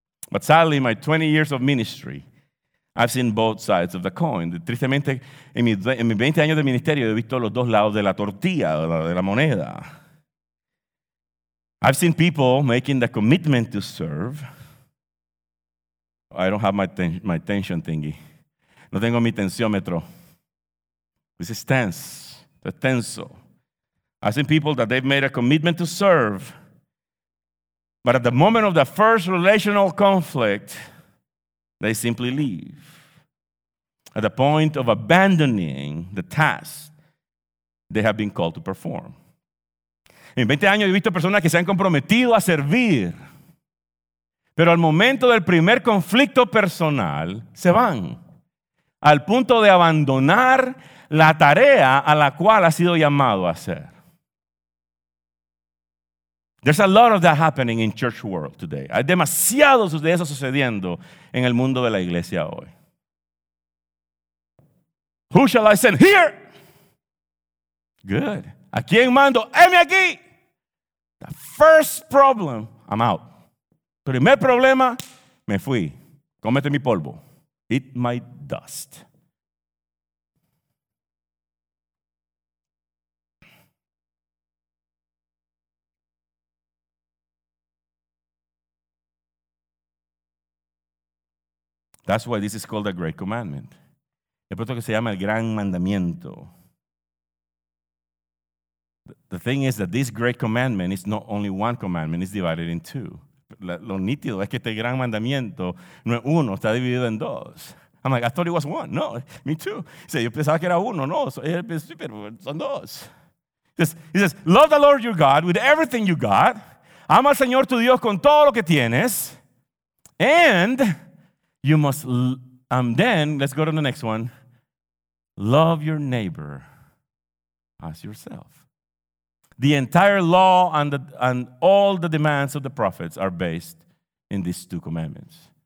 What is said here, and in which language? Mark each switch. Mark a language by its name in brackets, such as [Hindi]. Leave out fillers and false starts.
[English] But sadly, in my 20 years of ministry, I've seen both sides of the coin. [Spanish] Tristemente, en mis 20 años de ministerio, he visto los dos lados de la tortilla, de la moneda. [English] I've seen people making the commitment to serve. I don't have my tension thingy. [Spanish] No tengo mi tensiómetro. [English] This is tense. The tenso. I've seen people that they've made a commitment to serve. But at the moment of the first relational conflict, they simply leave. At the point of abandoning the task they have been called to perform. [Spanish] En 20 años he visto personas que se han comprometido a servir. Pero al momento del primer conflicto personal, se van. Al punto de abandonar la tarea a la cual ha sido llamado a hacer. [English] There's a lot of that happening in church world today. [Spanish] Hay demasiados de eso sucediendo en el mundo de la iglesia hoy. [English] Who shall I send? Here! Good. [Spanish] ¿A quién mando? ¡Heme aquí! [English] The first problem, I'm out. [Spanish] Primer problema, me fui. Cómete mi polvo. [English] Eat my dust. That's why this is called the Great Commandment. [Spanish] Es por eso que se llama el Gran Mandamiento. [English] The thing is that this Great Commandment is not only one commandment, it's divided in two. [Spanish] Lo nítido es que este Gran Mandamiento no es uno, está dividido en dos. [English] I'm like, I thought it was one. No, me too. He said, [Spanish] yo pensaba que era uno. No, son dos. [English] He says, love the Lord your God with everything you got. [Spanish] Ama al Señor tu Dios con todo lo que tienes. [English] And you must, then, let's go to the next one. Love your neighbor as yourself. The entire law and all the demands of the prophets are based in these two commandments.